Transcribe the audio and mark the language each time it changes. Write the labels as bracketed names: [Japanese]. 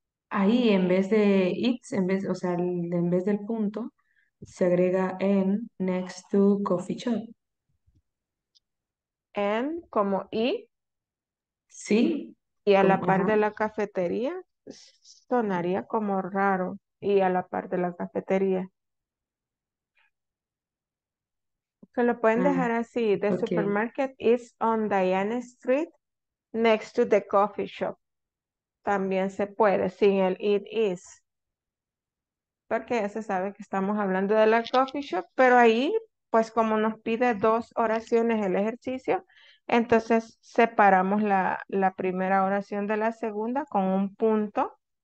[Spanish] Ahí, en vez de it, en vez, o sea, en vez del punto, se agrega en [English] next to coffee shop. [Spanish] En como y. Sí. Y a la par de la cafetería, sonaría como raro. Y a la par de la cafetería. Se lo pueden dejar así. The okay. [English] supermarket is on Diana Street next to the coffee shop. [Spanish] También se puede sin el it is. Porque ya se sabe que estamos hablando de la coffee shop, pero ahí, pues como nos pide dos oraciones el ejercicio, entonces separamos la primera oración de la segunda con un punto.